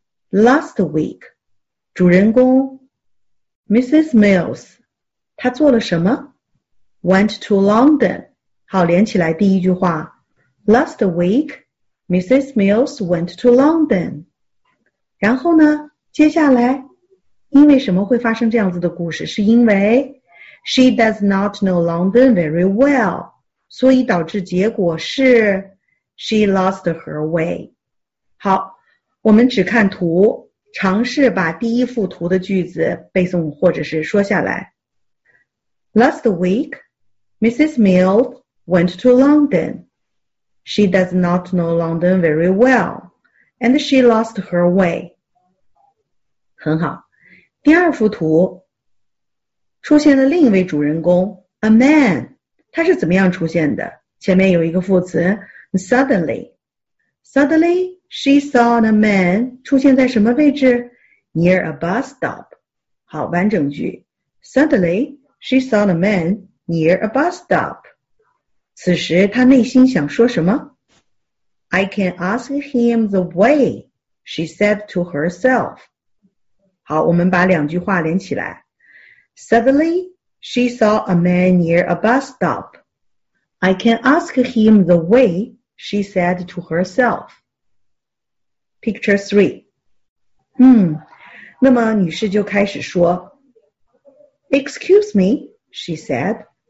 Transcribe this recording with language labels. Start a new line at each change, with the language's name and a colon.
English: Last week.
Chinese: 主人公 Mrs. Mills. 她做了什么？
English: Went to London.
Chinese: 好，连起来第一句话。
English: Last week, Mrs. Mills went to London.
Chinese: 然后呢？接下来，因为什么会发生这样子的故事？是因为
English: she does not know London very well，
Chinese: 所以导致结果是
English: she lost her way。
Chinese: 好，我们只看图，尝试把第一幅图的句子背诵或者是说下来。
English: Last week, Mrs. Mills went to London. She does not know London very well, and she lost her way.
Chinese: 很好，第二幅图出现了另一位主人公
English: a man，
Chinese: 他是怎么样出现的？前面有一个副词
English: suddenly she saw a man
Chinese: 出现在什么位置？
English: near a bus stop。
Chinese: 好，完整句
English: suddenly she saw a man near a bus stop，
Chinese: 此时他内心想说什么？
English: I can ask him the way， she said to herself。
Chinese: 好，我们把两句话连起来。
English: Suddenly, she saw a man near a bus stop. I can ask him the way, she said to herself. Picture three.
Chinese: 那么女士就开始说。
English: Excuse me, she said.